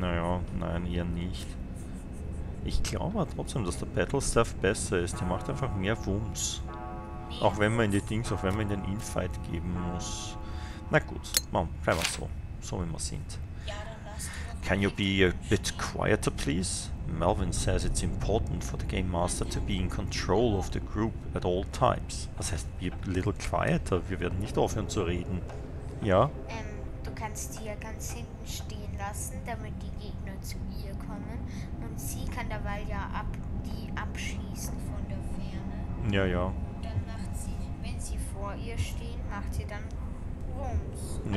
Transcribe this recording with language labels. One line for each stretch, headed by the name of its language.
German: Naja, nein, eher nicht. Ich glaube trotzdem, dass der Battle Staff besser ist. Der macht einfach mehr Wumms. Auch wenn man in die Dings, auch wenn man in den Infight geben muss. Na gut, machen wir einfach so. So wie wir sind. Ja, dann lass
English: Can you be a bit quieter, please? Melvin says it's important for the Game Master to be in control of the group at all times.
German: Das heißt,
English: be a little quieter,
German: wir werden nicht aufhören zu reden. Ja? Du kannst sie ja ganz hinten stehen lassen, damit die Gegner zu ihr kommen. Und sie kann dabei ja abschießen von der Ferne. Ja, ja. Und dann macht sie, wenn sie vor ihr stehen, macht sie dann Wumms.